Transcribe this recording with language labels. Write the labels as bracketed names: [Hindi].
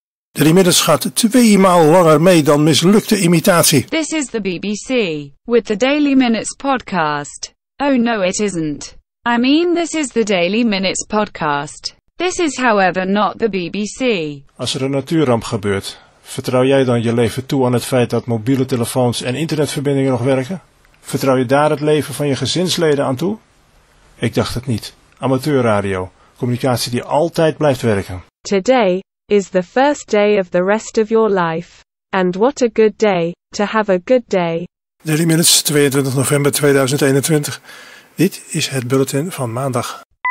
[Dutch] Dat inmiddels gaat 2 maal langer mee dan mislukte imitatie. [English] This is the BBC, with the Daily Minutes podcast. Oh no, it isn't. I mean, this is the Daily Minutes podcast. This is however not the BBC. [Dutch] Als er een natuurramp gebeurt, vertrouw jij dan je leven toe aan het feit dat mobiele telefoons en internetverbindingen nog werken? Vertrouw je daar het leven van je gezinsleden aan toe? Ik dacht het niet. Amateurradio, communicatie die altijd blijft werken. [English] Today is the first day of the rest of your life. And what a good day, to have a good day. 30 minutes, 22 november 2021. [Dutch] Dit is het bulletin van maandag.